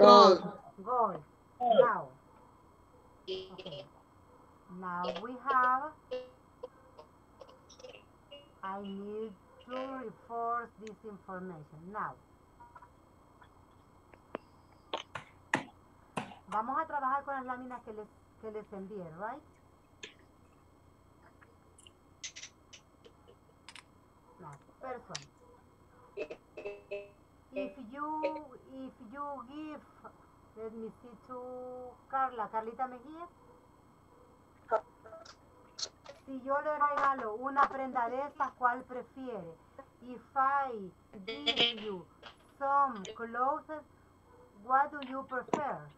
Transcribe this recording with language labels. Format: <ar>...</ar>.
<en>Now we have, I need to reinforce this information.</en> <es>Now, vamos a trabajar con las láminas que les envié, right?</es> <en>Person. If you give, let me see to Carla. Carlita Mejía.</en> <es>Si yo le regalo una prenda de estas, ¿cuál prefiere?</es> <en>If I give you some clothes, what do you prefer?</en>